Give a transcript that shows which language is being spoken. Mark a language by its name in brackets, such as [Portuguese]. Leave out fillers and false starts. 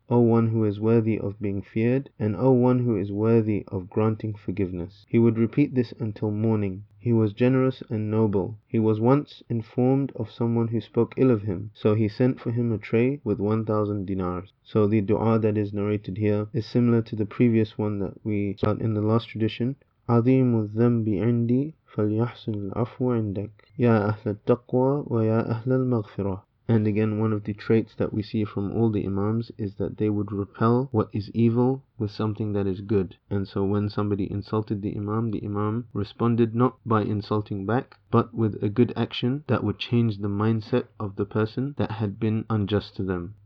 [English] O one who is worthy of being feared, and O one who is worthy of granting forgiveness. He would repeat this until morning. He was generous and noble. He was once informed of someone who spoke ill of him, so he sent for him a tray with 1,000 dinars. So the dua that is narrated here is similar to the previous one that we saw in the last tradition. [Arabic] عظيم الذنب عندي فليحسن العفو عندك يا أهل التقوى ويا أهل المغفرة. [English] And again, one of the traits that we see from all the Imams is that they would repel what is evil with something that is good. And so when somebody insulted the Imam responded not by insulting back, but with a good action that would change the mindset of the person that had been unjust to them.